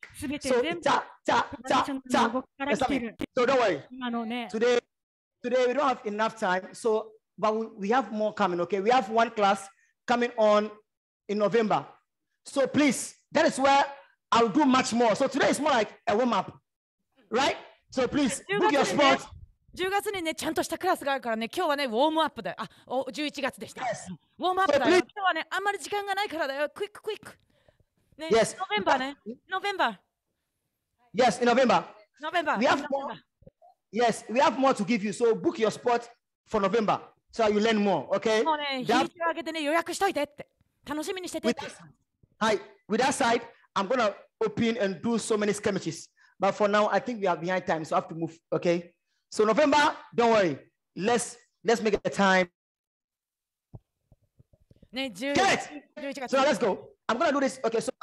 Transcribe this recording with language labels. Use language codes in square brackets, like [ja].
[en] So, so don't worry. Today we don't have enough time. So, but we have more coming. Okay. We have one class coming on in November. So please, that is where I'll do much more. So today is more like a warm up, right? So please book your spot. [ja] 10月にね、ちゃんとしたクラスがあるからね、今日はね、ウォームアップだよ。あ、11月でした。 [en] Yes. [ja] ウォームアップだよ。今日はね、あんまり時間がないからだよ。 [en] クイッククイック。ね、 yes. ノベンバーね。ノベンバー。 Yes, in November. November. We have more. Yes, we have more to give you. So book your spot for November. So you learn more, okay? [ja] もうね、日にちを上げてね、予約しといてって。楽しみにしてて。はい。 [en] With that side, I'm gonna open and do so many skirmishes. But for now, I think we are behind time, so I have to move, okay? So November, don't worry. Let's make it a time. Get it. So now let's go. I'm gonna do this. Okay.